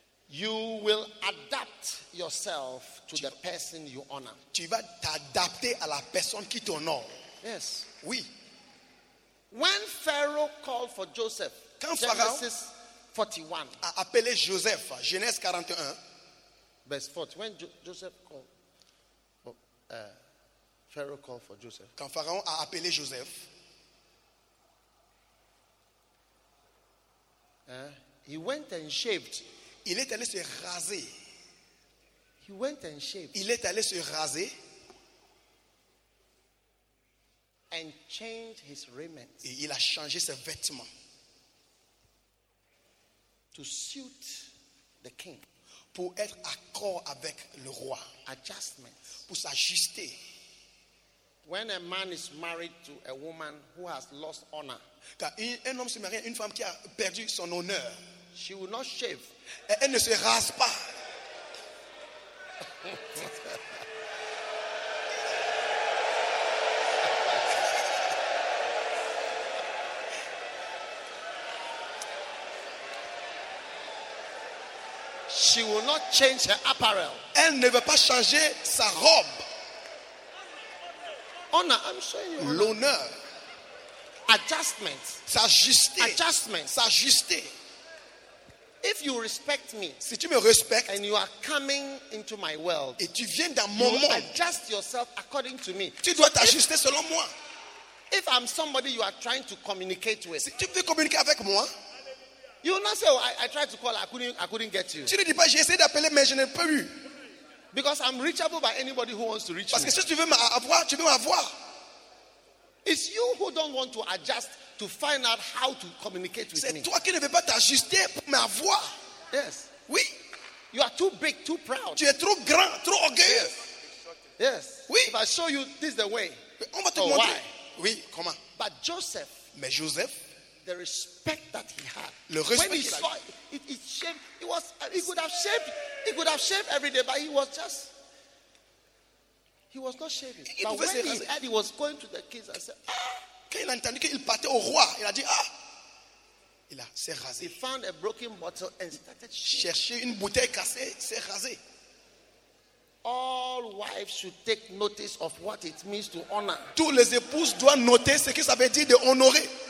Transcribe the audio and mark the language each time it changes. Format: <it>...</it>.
<en>You will adapt yourself to the person you honor.</en> <fr>Tu vas t'adapter à la personne qui t'honore.</fr> <en>Yes.</en> <fr>Oui.</fr> <en>When Pharaoh called for Joseph,</en> <fr>quand</fr> <en>Genesis 41,</en> <fr>a appelé Joseph, Genèse 41.</fr> <en>Verse 40. When Joseph called, Pharaoh called for Joseph.</en> <fr>Quand Pharaon a appelé Joseph,</fr> <en>he went and shaved.</en> <fr>Il est allé se raser.</fr> <en>He went and shaved.</en> <fr>Il est allé se raser.</fr> <en>And changed his raiment.</en> <fr>Et il a changé ses vêtements.</fr> <en>To suit the king.</en> <fr>Pour être accord avec le roi.</fr> <en>Adjustment.</en> <fr>Pour s'ajuster.</fr> <en>When a man is married to a woman who has lost honor.</en> <fr>Car un homme se marie à une femme qui a perdu son honneur.</fr> <en>She will not shave.</en> <fr>Elle ne se rase pas.</fr> <en>She will not change her apparel.</en> <fr>Elle ne veut pas changer sa robe.</fr> <en>Honor, I'm showing you.</en> <fr>L'honneur.</fr> <en>Adjustment.</en> <fr>S'ajuster.</fr> <en>Adjustment.</en> <fr>S'ajuster.</fr> <en>If you respect me,</en> <fr>si tu me respectes,</fr> <en>and you are coming into my world,</en> <fr>et tu viens dans mon monde,</fr> <en>adjust yourself according to me.</en> <fr>Tu dois t'ajuster selon moi.</fr> <en>If I'm somebody you are trying to communicate with,</en> <fr>si tu veux communiquer avec moi,</fr> <en>you will not say, oh, I tried to call, I couldn't get you.</en> <fr>Tu ne dis pas, j'ai essayé d'appeler, mais je n'ai pas eu.</fr> <en>Because I'm reachable by anybody who wants to reach</en> <fr>parce Parce que si tu veux m'avoir, tu veux m'avoir.</fr> <en>It's you who don't want to adjust to find out how to communicate with</en> <fr>c'est</fr> <en>me.</en> <fr>C'est toi qui ne veux pas t'ajuster pour m'avoir.</fr> <en>Yes.</en> <fr>Oui.</fr> <en>You are too big, too proud.</en> <fr>Tu es trop grand, trop orgueilleux.</fr> <en>Yes. Yes.</en> <fr>Oui.</fr> <en>If I show you this the way.</en> <fr>Mais on va te montrer.</fr> <en>Why.</en> <fr>Oui, comment?</fr> <en>But Joseph.</en> <fr>Mais Joseph.</fr> <en>The respect that he had.</en> <fr>Le respect</fr> <en>when he saw it shaved. It was he could have shaved every day, but he was not shaving.</en> <fr>Il</fr> <en>but when</en> <fr>se</fr> <en>he heard he was going to the kids, I said,</en> <fr>Quand il a entendu qu'il partait au roi, il a dit, Il a s'est rasé.</fr> <en>He found a broken bottle and started shaving.</en> <fr>Chercher une bouteille cassée, s'est rasé.</fr> <en>All wives should take notice of what it means to honor.</en> <fr>Toutes les épouses doivent noter ce que ça veut dire de honorer.</fr>